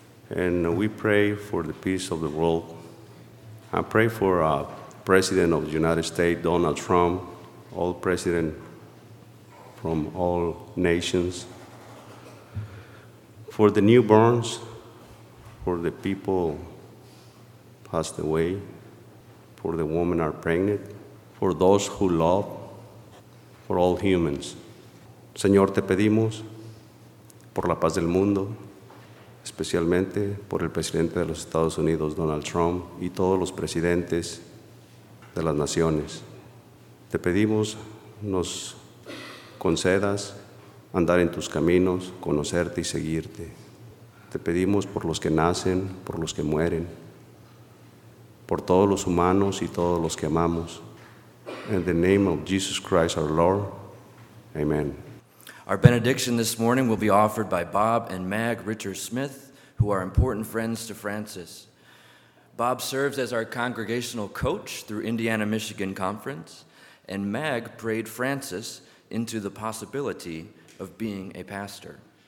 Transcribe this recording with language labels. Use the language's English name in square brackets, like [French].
[English] And we pray for the peace of the world. I pray for President of the United States, Donald Trump, all presidents from all nations, for the newborns, for the people passed away, for the women are pregnant, for those who love, for all humans. [Spanish] Señor, te pedimos por la paz del mundo, especialmente por el presidente de los Estados Unidos, Donald Trump, y todos los presidentes de las naciones. Te pedimos nos concedas andar en tus caminos, conocerte y seguirte. Te pedimos por los que nacen, por los que mueren, por todos los humanos y todos los que amamos. [English] In the name of Jesus Christ, our Lord, amen. Our benediction this morning will be offered by Bob and Mag Richard Smith, who are important friends to Francis. Bob serves as our congregational coach through Indiana-Michigan Conference, and Mag prayed Francis into the possibility of being a pastor.